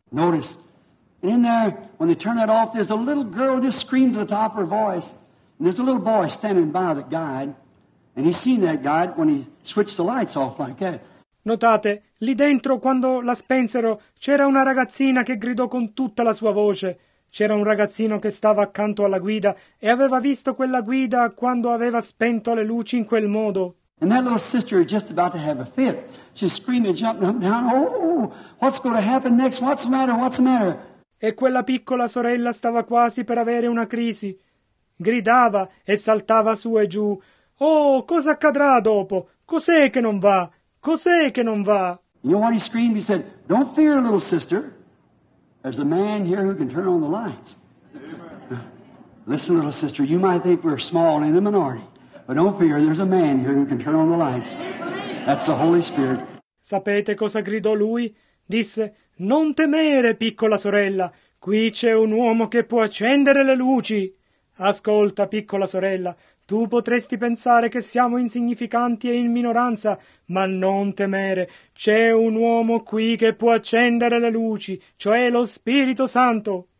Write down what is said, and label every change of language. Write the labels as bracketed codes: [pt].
[en] Notice, in there, when they turn that off, there's a little girl just screamed to the top of her voice. And there's a little boy standing by the guide. And he seen that God when he switched the lights off like that. [it] Notate, lì dentro quando la spensero c'era una ragazzina che gridò con tutta la sua voce. C'era un ragazzino che stava accanto alla guida e aveva visto quella guida quando aveva spento le luci in quel modo. [en] And that little sister is just about to have a fit. She's screaming, jumping up and down. Oh, what's going to happen next? What's the matter? What's the matter? [it] E quella piccola sorella stava quasi per avere una crisi. Gridava e saltava su e giù. Oh, cosa accadrà dopo? Cos'è che non va? Cos'è che non va? [en] You know what he screamed? He said, don't fear, little sister. There's a man here who can turn on the lights. Listen, little sister, you might think we're small in the minority, but don't fear, there's a man here who can turn on the lights. That's the Holy Spirit. [it] Sapete cosa gridò lui? Disse, non temere, piccola sorella, qui c'è un uomo che può accendere le luci. Ascolta, piccola sorella, tu potresti pensare che siamo insignificanti e in minoranza, ma non temere, c'è un uomo qui che può accendere le luci, cioè lo Spirito Santo.